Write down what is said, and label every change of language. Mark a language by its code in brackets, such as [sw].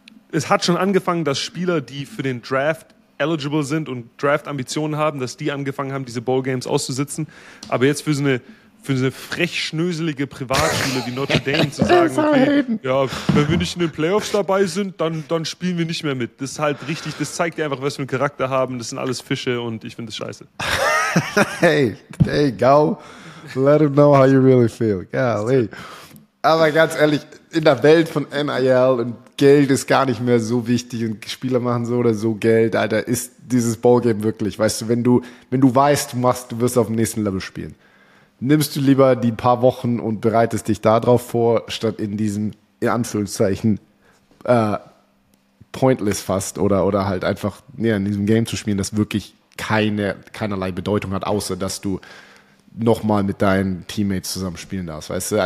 [de] Es hat schon angefangen, dass Spieler, die für den Draft eligible sind und Draft-Ambitionen haben, dass die angefangen haben, diese Bowl-Games auszusitzen. Aber jetzt für so eine frechschnöselige Privatschule wie Notre Dame zu sagen, okay, ja, wenn wir nicht in den Playoffs dabei sind, dann spielen wir nicht mehr mit. Das ist halt richtig, das zeigt dir einfach, was wir einen Charakter haben. Das sind alles Fische und ich finde das scheiße. [en] Hey, Gau, let him know how you really feel. Golly. [de] Aber ganz ehrlich, in der Welt von NIL und Geld ist gar nicht mehr so wichtig und Spieler machen so oder so Geld, Alter, ist dieses Ballgame wirklich, weißt du, wenn du weißt, du wirst auf dem nächsten Level spielen. Nimmst du lieber die paar Wochen und bereitest dich darauf vor, statt in diesem, in Anführungszeichen, pointless fast oder halt einfach in diesem Game zu spielen, das wirklich keinerlei Bedeutung hat, außer dass du nochmal mit deinen Teammates zusammen spielen darfst, weißt du?